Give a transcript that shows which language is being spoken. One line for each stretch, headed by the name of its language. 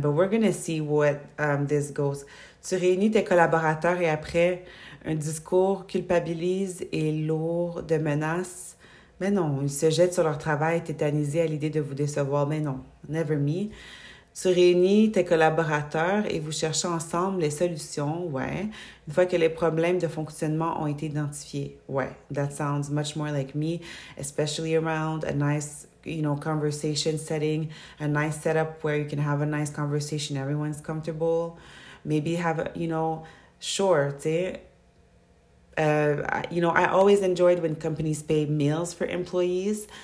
English: But we're going to see what this goes.
French: Tu réunis tes collaborateurs et après, un discours culpabilise et lourd de menaces. Mais non, ils se jettent sur leur travail, tétanisés à l'idée de vous décevoir. Mais non, never me. Tu réunis tes collaborateurs et vous cherchez ensemble les solutions, ouais. Une fois que les problèmes de fonctionnement ont été identifiés, ouais.
English: That sounds much more like me, especially around a nice, you know, conversation setting, a nice setup where you can have a nice conversation, everyone's comfortable. Maybe have, a, you know, sure,
French: tu sais.
English: You know, I always enjoyed when companies pay meals for employees.